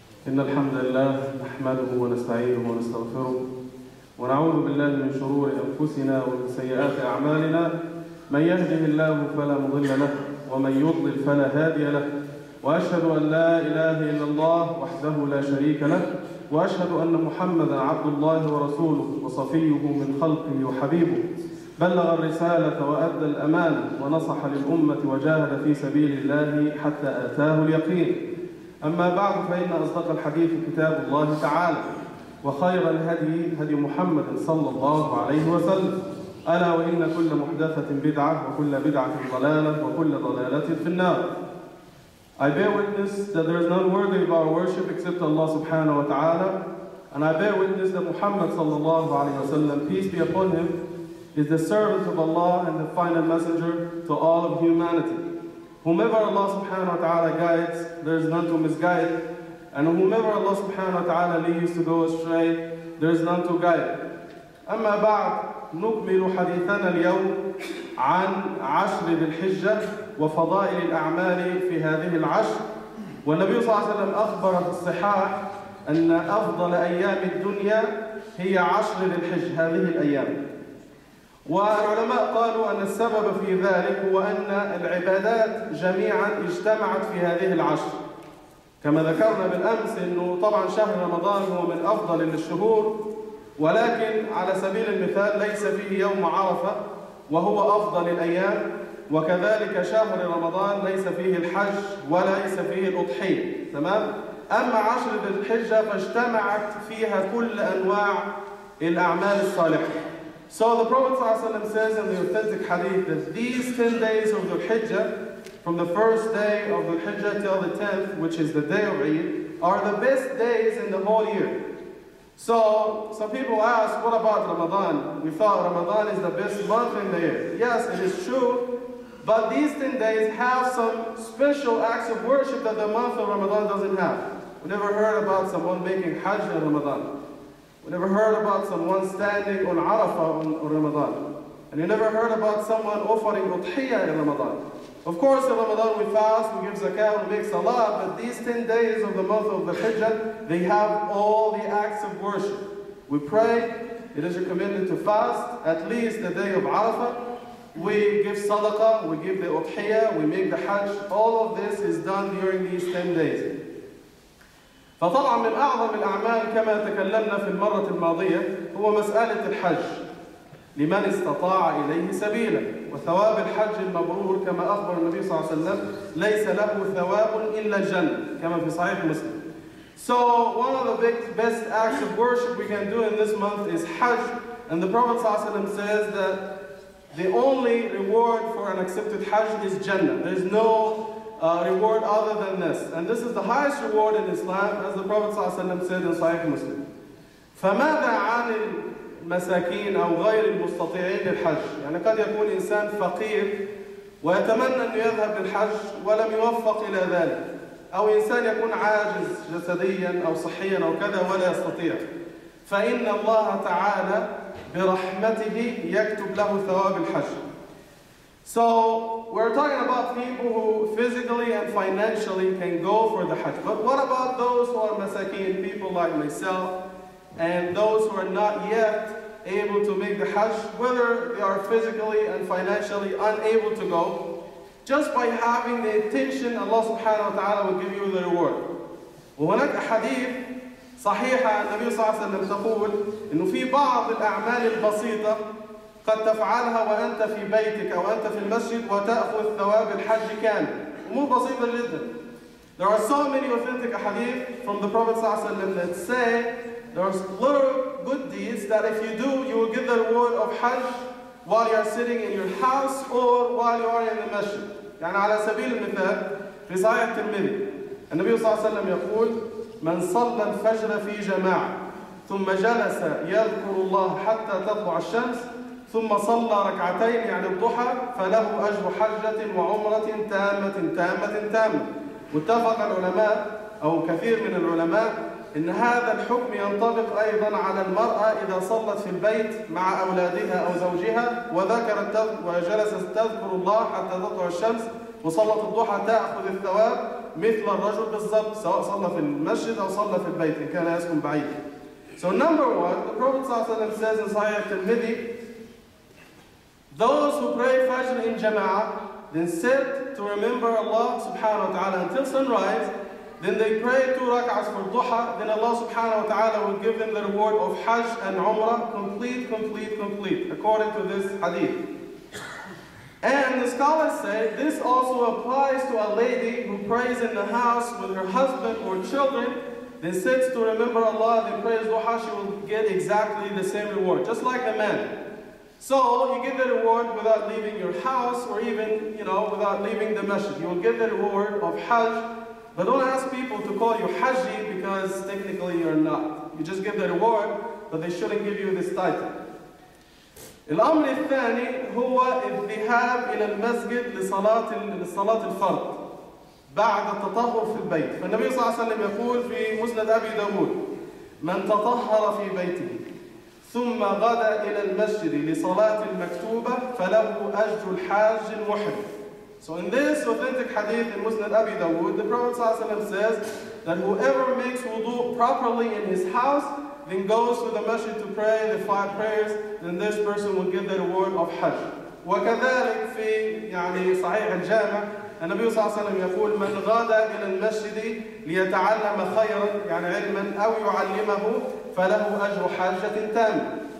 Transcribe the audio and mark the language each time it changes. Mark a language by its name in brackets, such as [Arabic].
[Arabic] إن الحمد لله نحمده ونستعينه ونستغفره ونعوذ بالله من شرور أنفسنا ومن سيئات أعمالنا، من يهده الله فلا مضل له ومن يضلل فلا هادي له، وأشهد أن لا إله إلا الله وحده لا شريك له، وأشهد أن محمدا عبد الله ورسوله وصفيه من خلقه وحبيبه، بلغ الرسالة وأدى الأمانة ونصح للأمة وجاهد في سبيل الله حتى آتاه اليقين. أما بعد، فإن أصدق الحديث كتاب الله تعالى، وخير الهدي هدي محمد صلى الله عليه وسلم، ألا وإن كل محدثة بدعة وكل بدعة ضلالة وكل ضلالة في النار. [English] I bear witness that there is none worthy of our worship except Allah subhanahu wa ta'ala, and I bear witness that Muhammad [Arabic] صلى الله عليه وسلم, [English] peace be upon him, is the servant of Allah and the final messenger to all of humanity. Whomever Allah subhanahu wa ta'ala guides, there is none to misguide. And whomever Allah subhanahu wa ta'ala leaves to go astray, there is none to guide. [Arabic] أما بعد، نكمل حديثنا اليوم عن عشر ذي الحجة وفضائل الأعمال في هذه العشر. والنبي صلى الله عليه وسلم أخبر في الصحاح أن أفضل أيام الدنيا هي عشر ذي الحجة، هذه الأيام. والعلماء قالوا أن السبب في ذلك هو أن العبادات جميعا اجتمعت في هذه العشر، كما ذكرنا بالأمس أنه طبعا شهر رمضان هو من أفضل الشهور، ولكن على سبيل المثال ليس فيه يوم عرفة وهو أفضل الأيام، وكذلك شهر رمضان ليس فيه الحج وليس فيه الأضحية، تمام؟ أما عشر ذي الحجة فاجتمعت فيها كل أنواع الأعمال الصالحة. [English] So the Prophet ﷺ says in the authentic hadith that these 10 days of the Hijjah, from the first day of the Hijjah till the 10th, which is the day of Eid, are the best days in the whole year. So some people ask, what about Ramadan? We thought Ramadan is the best month in the year. Yes, it is true, but these 10 days have some special acts of worship that the month of Ramadan doesn't have. We never heard about someone making Hajj in Ramadan. We never heard about someone standing on Arafah on Ramadan. And you never heard about someone offering Udhiyya in Ramadan. Of course, in Ramadan we fast, we give zakah, we make salah, but these 10 days of the month of the Hijjah, they have all the acts of worship. We pray, it is recommended to fast, at least the day of Arafah. We give sadaqah, we give the Udhiyya, we make the Hajj. All of this is done during these 10 days. [Arabic] فطبعا من أعظم الأعمال كما تكلمنا في المرة الماضية هو مسألة الحج لمن استطاع إليه سبيلا، وثواب الحج المبرور كما أخبر النبي صلى الله عليه وسلم ليس له ثواب إلا الجنة كما في صحيح مسلم. [English] So one of the best acts of worship we can do in this month is Hajj, and the Prophet [Arabic] صلى الله عليه وسلم [English] says that the only reward for an accepted Hajj is Jannah. There is no reward other than this. And this is the highest reward in Islam, as the Prophet ﷺ said in Sahih Muslim. [Arabic] فَمَاذَا عَنِ الْمَسَاكِينَ أَوْ غَيْرِ الْمُسْتَطِعِينَ الْحَجِّ. يعني قد يكون إنسان فقير ويتمنى أن يذهب للحج ولم يوفق إلى ذلك. أو إنسان يكون عاجز جسديا أو صحيا أو كذا ولا يستطيع. فإن الله تعالى برحمته يكتب له ثواب الحج. [English] So we're talking about people who physically and financially can go for the Hajj. But what about those who are masakeen, people like myself, and those who are not yet able to make the Hajj, whether they are physically and financially unable to go? Just by having the intention, Allah subhanahu wa ta'ala will give you the reward. [Arabic] وهناك حديث صحيح عن النبي صلى الله عليه وسلم تقول إنه في بعض الأعمال البسيطة قد تفعلها وأنت في بيتك أو أنت في المسجد وتأخذ ثواب الحج كامل. مو بسيطة جدا. [English] There are so many authentic hadith from the Prophet [Arabic] صلى الله عليه وسلم [English] that say there are little good deeds that if you do, you will get the reward of Hajj while you are sitting in your house or while you are in the masjid. [Arabic] يعني على سبيل المثال في صحيح الترمذي النبي صلى الله عليه وسلم يقول من صلى الفجر في جماعة ثم جلس يذكر الله حتى تطلع الشمس ثم صلى ركعتين يعني الضحى فله أجر حجة وعمرة تامة تامة تامة. واتفق العلماء أو كثير من العلماء إن هذا الحكم ينطبق أيضا على المرأة إذا صلت في البيت مع أولادها أو زوجها وذكرت وجلست تذكر الله حتى تطلع الشمس وصلت الضحى تأخذ الثواب مثل الرجل بالضبط سواء صلى في المسجد أو صلى في البيت إن كان يسكن بعيد. [English] So number one, the Prophet [Arabic] صلى الله عليه وسلم [English] says in Sahih al-Tirmidhi, those who pray Fajr in Jama'ah, then sit to remember Allah subhanahu wa ta'ala until sunrise, then they pray two rak'ahs for duha, then Allah subhanahu wa ta'ala will give them the reward of Hajj and Umrah, complete, complete, complete, according to this hadith. And the scholars say this also applies to a lady who prays in the house with her husband or children, then sits to remember Allah, then prays duha, she will get exactly the same reward, just like the man. So you get the reward without leaving your house or even, you know, without leaving the masjid. You will get the reward of Hajj. But don't ask people to call you Hajji because technically you're not. You just give the reward, but they shouldn't give you this title. [Arabic] الأمر الثاني هو الذهاب إلى المسجد لصلاة الفرض بعد التطهر في البيت. فالنبي صلى الله عليه وسلم يقول في مسند أبي داود: من تطهر في بيته ثم غدا إلى المسجد لصلاة المكتوبة فله أجر الحاج المحرم. [English] So in this authentic hadith in Musnad Abi Dawood, the Prophet [Arabic] صلى الله عليه وسلم [English] says that whoever makes wudu properly in his house, then goes to the masjid to pray the five prayers, then this person will get the reward of Hajj. [Arabic] وكذلك في يعني صحيح الجامع النبي صلى الله عليه وسلم يقول من غادى إلى المسجد ليتعلم خيرا يعني علما أو يعلمه فله أجر حاجة تامة.